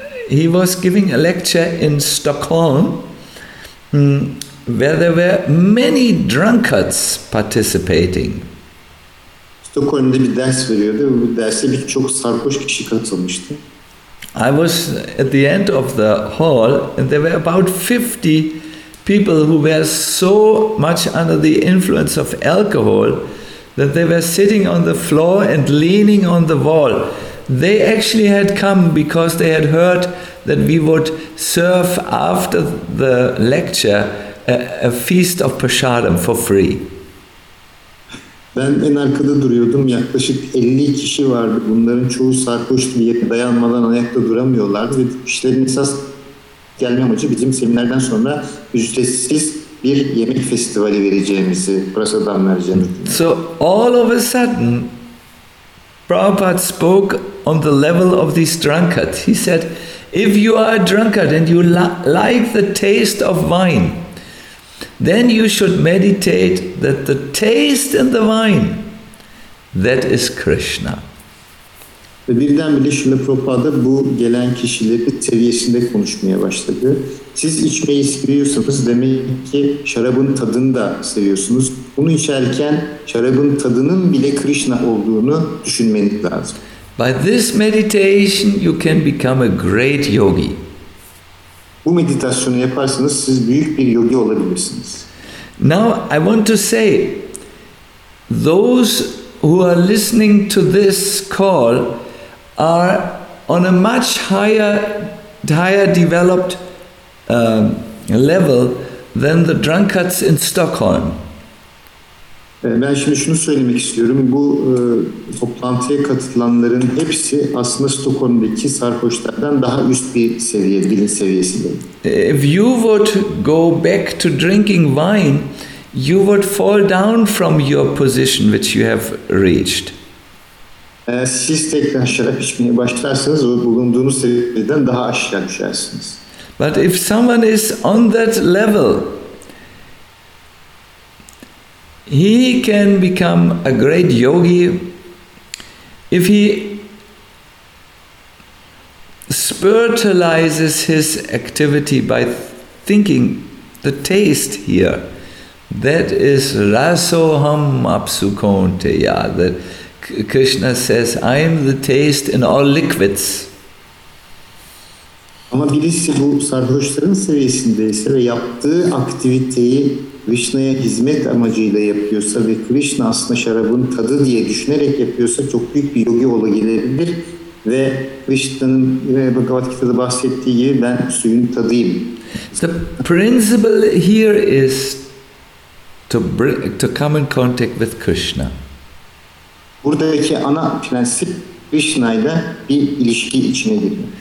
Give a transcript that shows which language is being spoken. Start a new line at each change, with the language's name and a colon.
English: He was giving a lecture in Stockholm where there were many drunkards participating.
Turkish: Stockholm'da bir ders veriyordu. Bu derse birçok sarhoş kişi katılmıştı.
English: I was at the end of the hall and there were about 50 people who were so much under the influence of alcohol that they were sitting on the floor and leaning on the wall. They actually had come because they had heard that we would serve after the lecture a feast of prasadam for free.
Turkish: Ben en arkada duruyordum. Yaklaşık 50 kişi vardı. Bunların çoğu sarhoş diye dayanmadan ayakta duramıyorlardı. Ve işlerin esas gelme amacı bizim seminerden sonra ücretsiz bir yemek festivali vereceğimizi, prasadam vereceğimizi.
English: So all of a sudden, Prabhupada spoke on the level of these drunkards. He said, if you are a drunkard and you like the taste of wine, then you should meditate that the taste in the wine, that is Krishna.
Turkish: Ve birdenbire Şrila Prabhupada bu gelen kişileri seviyesinde konuşmaya başladı. Siz içmeyi seviyorsanız demek ki şarabın tadını da seviyorsunuz. Bunu içerken şarabın tadının bile Krishna olduğunu düşünmeniz lazım.
English: By this meditation you can become a great yogi.
Turkish: Bu meditasyonu yaparsanız siz büyük bir yogi olabilirsiniz.
English: Now I want to say, those who are listening to this call are on a much higher developed level than the drunkards in Stockholm.
Turkish: Ben şimdi şunu söylemek istiyorum. Bu toplantıya katılanların hepsi aslında Stockholm'daki sarhoşlardan daha üst bir seviye, bilinç seviyesinde.
English: If you would go back to drinking wine, you would fall down from your position which you have reached.
Turkish: Siz tekrar şarap içmeye başlarsanız o bulunduğunuz seviyeden daha aşağı düşersiniz.
English: But if someone is on that level, he can become a great yogi if he spiritualizes his activity by thinking the taste here. That is
Sanskrit: rasoham apsukonteya.
English: That Krishna says, I am the taste in all liquids.
Turkish: Ama birisi bu sarhoşların seviyesindeyse ve yaptığı aktiviteyi Krishna'ya hizmet amacıyla yapıyorsa ve Krishna aslında şarabın tadı diye düşünerek yapıyorsa çok büyük bir yogi olabilir ve Krishna'nın Bhagavad Gita'da bahsettiği gibi ben suyun tadıyım.
English: The principle here is to come in contact with Krishna.
Turkish: Buradaki ana prensip Krishna'yla bir ilişki içine girmek.